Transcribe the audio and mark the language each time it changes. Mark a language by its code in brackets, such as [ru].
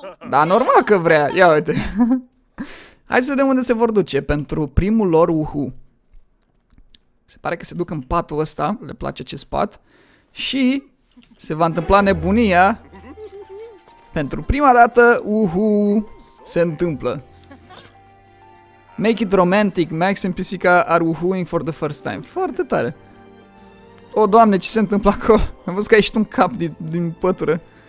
[ro] Da, normal că vrea, ia uite. Hai să vedem unde se vor duce pentru primul lor uhu. Se pare că se duc în patul ăsta, le place acest pat. Și se va întâmpla nebunia. Pentru prima dată uhu se întâmplă. [en] Make it romantic, Max and Pisica are uhuing for the first time. [ro] Foarte tare. O, Doamne, ce se întâmplă acolo? Am văzut că ai ieșit un cap din pătură.